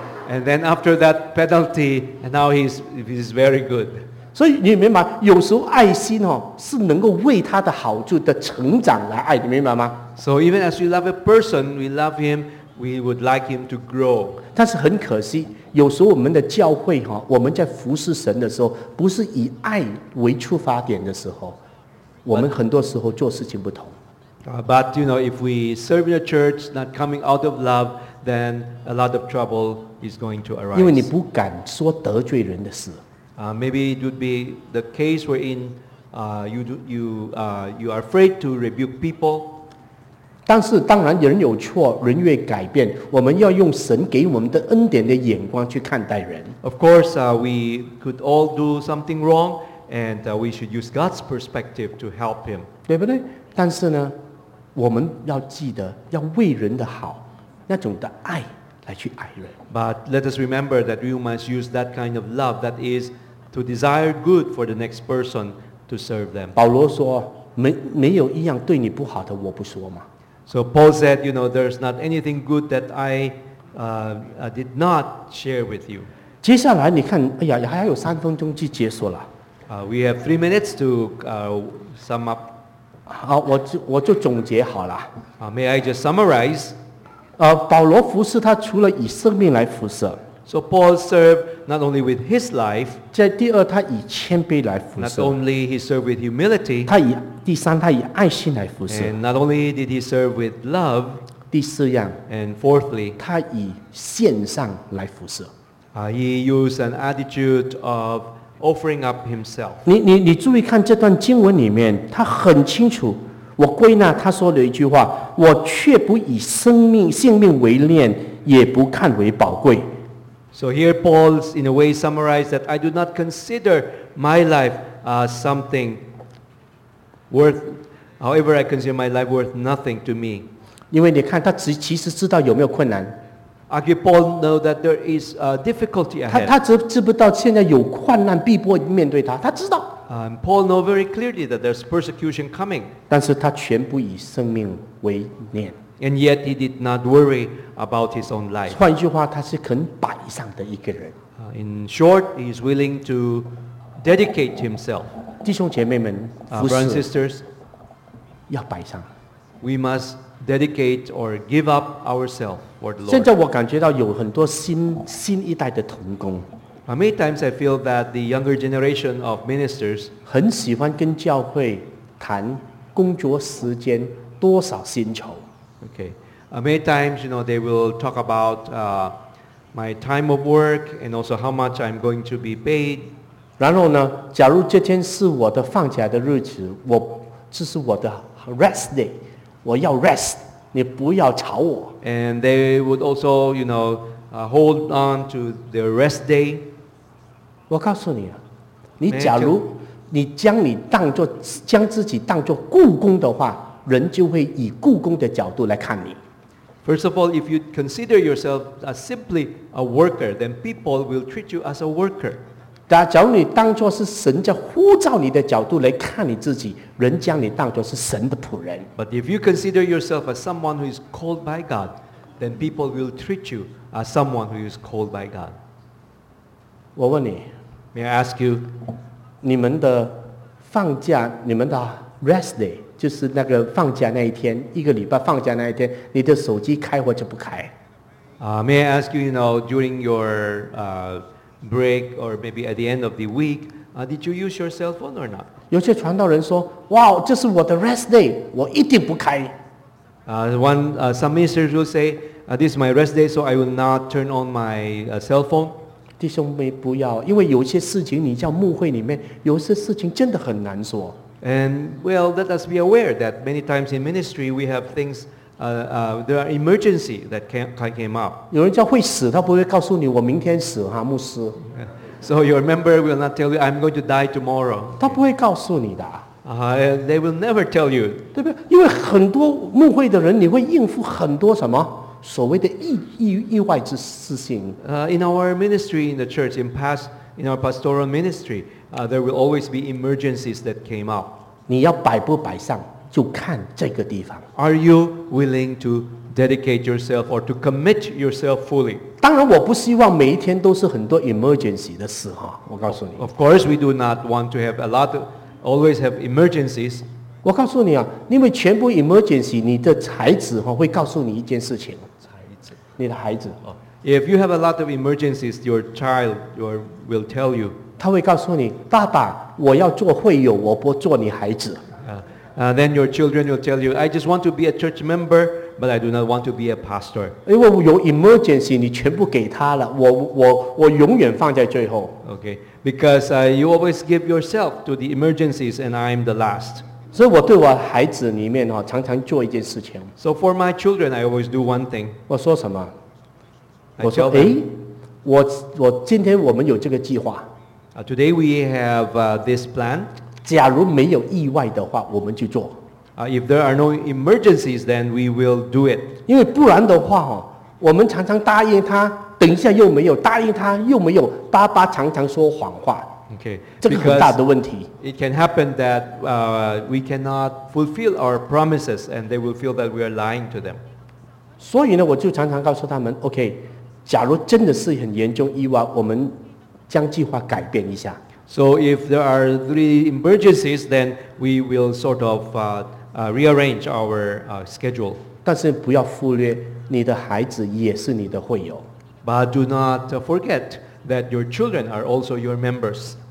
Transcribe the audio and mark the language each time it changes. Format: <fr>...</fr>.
<en>And then after that penalty, and now he's very good.</en> <zh>所以你明白，有时候爱心哦，是能够为他的好处的成长来爱，你明白吗</zh> <en>？So even as we love a person, we love him, we would like him to grow.</en> <zh>但是很可惜，有时候我们的教会哈，我们在服侍神的时候，不是以爱为出发点的时候，我们很多时候做事情不同。</zh> <en>But you know, if we serve in a church not coming out of love, then a lot of trouble. Is going to arise.</en> <zh>因为你不敢说得罪人的事。</zh> <en>Maybe it would be the case wherein you are afraid to rebuke people.</en> <zh>但是当然人有错，人越改变，我们要用神给我们的恩典的眼光去看待人。</zh> <en>Of course, we could all do something wrong, and we should use God's perspective to help him.</en> <zh>对不对？但是呢，我们要记得要为人的好，那种的爱。</zh> <en>But let us remember that we must use that kind of love that is to desire good for the next person to serve them.</en> <zh>保罗说，没有一样对你不好的我不说嘛。</zh> <en>So Paul said, you know, there's not anything good that I did not share with you.</en> <zh>接下来你看，哎呀，还有三分钟就结束了。</zh> <en>We have 3 minutes to sum up.</en> <zh>好，我就总结好了。</zh> <en>May I just summarize?</en> <zh>保罗服侍他除了以生命来服侍</zh> <en>，So Paul served not only with his life。</en> <zh>在第二，他以谦卑来服侍</zh> <en>，Not only he served with humility。</en> <zh>他以第三，他以爱心来服侍</zh> <en>，And not only did he serve with love。</en> <zh>第四样</zh> <en>，And fourthly，</en> <zh>他以献上来服侍。</zh> <en>He used an attitude of offering up himself</en> <zh>你。你注意看这段经文里面，他很清楚。我归纳他说的一句话，我却不以性命为念，也不看为宝贵。</zh> <en>So here Paul, in a way, summarized that I do not consider my life something worth. However, I consider my life worth nothing to me.</en> <zh>因为你看，他其实知道有没有困难。</zh> <en>Actually, Paul knows that there is difficulty ahead.</en> <zh>他知不到现在有患难逼迫面对他，他知道。</zh> <en>Paul knows very clearly that there's persecution coming.</en> <zh>但是他全部以生命为念。</zh> <en>And yet he did not worry about his own life.</en> <zh>换句话，他是肯摆上的一个人。</zh> <en>In short, he is willing to dedicate himself.</en> <zh>弟兄姐妹们，</zh> <en>brothers and sisters,</en> <zh>要摆上。</zh> <en>We must dedicate or give up ourselves for the Lord.</en> <zh>现在我感觉到有很多新一代的同工。</zh> <en>Many times I feel that the younger generation of ministers</en> <zh>很喜欢跟教会谈工作时间多少薪酬。</zh> <en>Okay, many times you know they will talk about my time of work, and also how much I'm going to be paid.</en> <zh>然后呢，假如这天是我的放假的日子，我这是我的</zh> <en>rest day，</en> <zh>我要</zh> <en>rest，</en> <zh>你不要吵我。</zh> <en>And they would also, you know, hold on to their rest day.</en> <zh>我告诉你啊，你假如你将你当作将自己当作雇工的话，人就会以雇工的角度来看你。</zh> <en>First of all, if you consider yourself as simply a worker, then people will treat you as a worker.</en> <zh>但假如你当作是神在呼召你的角度来看你自己，人将你当作是神的仆人。</zh> <en>But if you consider yourself as someone who is called by God, then people will treat you as someone who is called by God.</en> <zh>我问你</zh> <en>，May I ask you，</en> <zh>你们的放假，你们的</zh> <en>rest day。</en> <zh>就是那个放假那一天，一个礼拜放假那一天，你的手机开或者不开。</zh> <en>May I ask you, you know, during your break or maybe at the end of the week, did you use your cell phone or not?</en> <zh>有些传道人说，哇，这是我的</zh> <en>rest day，</en> <zh>我一定不开。</zh> <en>Some ministers will say, this is my rest day, so I will not turn on my cell phone.</en> <zh>弟兄们不要，因为有些事情你叫牧会里面，有些事情真的很难说。</zh> <en>And well, let us be aware that many times in ministry we have things, there are emergency that came up.</en> <zh>有人叫会死，他不会告诉你我明天死哈，牧师。</zh> <en>So your member will not tell you I'm going to die tomorrow.</en> <zh>他不会告诉你的。</zh> <en>They will never tell you.</en> <zh>对不对？因为很多牧会的人，你会应付很多什么所谓的意外之事情。</zh> <en>In our ministry in the church, in our pastoral ministry. There will always be emergencies that came up.</en> <zh>你要摆不摆上，就看这个地方。</zh> <en>Are you willing to dedicate yourself or to commit yourself fully?</en> <zh>当然，我不希望每一天都是很多 emergency 的事哈。我告诉你。</zh> <en>Of course, we do not want to have a lot, always have emergencies.</en> <zh>我告诉你啊，因为全部 emergency， 你的孩子哈会告诉你一件事情。孩子，你的孩子。</zh> <en>If you have a lot of emergencies, your child will tell you.</en> <zh>他会告诉你，爸爸，我要做会友，我不做你孩子。</zh> <en>Then your children will tell you, I just want to be a church member, but I do not want to be a pastor.</en> <zh>因为有 emergency, 你全部给他了，我永远放在最后。</zh> <en>Okay, because you always give yourself to the emergencies, and I'm the last.</en> <zh>所以我对我孩子里面常常做一件事情。</zh> <en>So for my children, I always do one thing.</en> <zh>我说什么？我说，哎，我今天我们有这个计划。</zh> <en>Today we have this plan.</en> <zh>假如没有意外的话，我们就做。</zh> <en>If there are no emergencies, then we will do it.</en> <zh>因为不然的话，我们常常答应他，等一下又没有，答应他又没有，爸爸常常说谎话。</zh> <en>Okay.</en> <zh>这个很大的问题。</zh> <en>Because it can happen that we cannot fulfill our promises, and they will feel that we are lying to them.</en> <zh>所以呢，我就常常告诉他们 ，OK， 假如真的是很严重意外，我们。将计划改变一下。</zh> <en>So if there are three emergencies, then we will sort of rearrange our schedule.</en> <zh>但是不要忽略，你的孩子也是你的会友。</zh> <en>But do not forget that your children are also your members.</en>